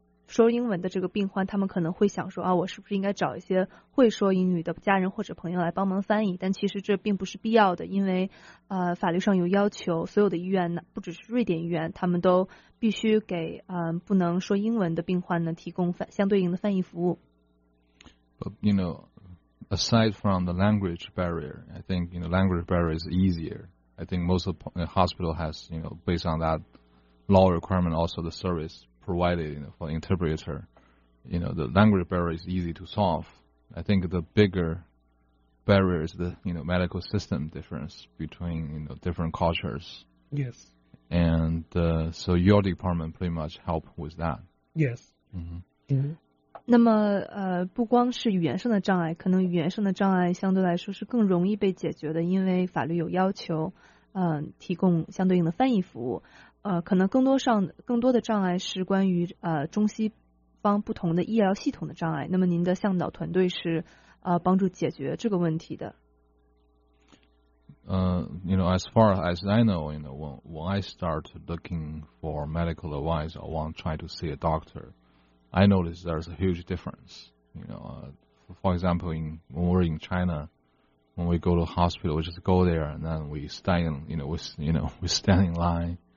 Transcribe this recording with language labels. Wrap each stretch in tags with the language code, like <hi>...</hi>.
<zh>说英文的这个病患，他们可能会想说啊，我是不是应该找一些会说英语的家人或者朋友来帮忙翻译？但其实这并不是必要的，因为法律上有要求，所有的医院呢，不只是瑞典医院，他们都必须给不能说英文的病患呢提供相对应的翻译服务。</zh> <en>But, you know, aside from the language barrier, I think you know language barrier is easier. I think most of the hospital has you know based on that law requirement also the service. Provided you know, for interpreter, you know, the language barrier is easy to solve. I think the bigger barrier is the, you know, medical system difference between, you know, different cultures. Yes. And so your department pretty much help with that. Yes. Mm-hmm. Mm-hmm.</en> <zh>那么不光是语言上的障碍，可能语言上的障碍相对来说是更容易被解决的，因为法律有要求提供相对应的翻译服务。可能更多的障碍是关于中西方不同的医疗系统的障碍。那么您的向导团队是帮助解决这个问题的。</zh> <en>You know, as far as I know, you know, when I start looking for medical advice or want to try to see a doctor, I notice there's a huge difference. You know, for example, when we're in China. When we go to hospital, we just go there, and then we stand, we stand in line.</en>